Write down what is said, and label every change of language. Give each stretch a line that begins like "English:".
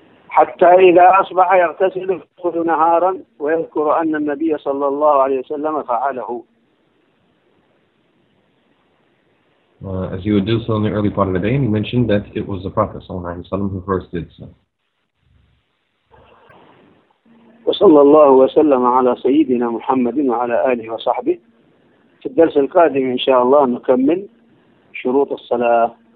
Arabic: حتى إذا أصبح يغتسل يدخل نهارا ويذكر أن النبي صلى الله عليه وسلم فعله.
English: As he would do so in the early part of the day, and he mentioned that it was the Prophet
Arabic: صلى الله عليه وسلم
English: who first did so.
Arabic: وصلى الله وسلم على سيدنا محمد وعلى آله وصحبه. في الدرس القادم إن شاء الله نكمل شروط الصلاة.